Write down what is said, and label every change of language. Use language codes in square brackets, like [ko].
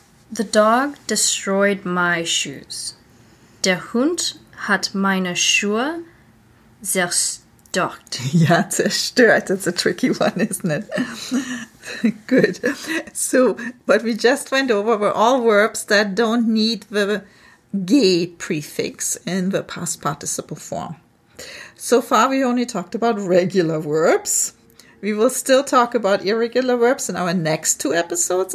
[en] The dog destroyed my shoes. [de] Der Hund hat meine Schuhe zerstört. [en] Yeah, zerstört. It's a tricky one, isn't it? Good. So what we just went over were all verbs that don't need the ge prefix in the past participle form. So far, we only talked about regular verbs. We will still talk about irregular verbs in our next two episodes.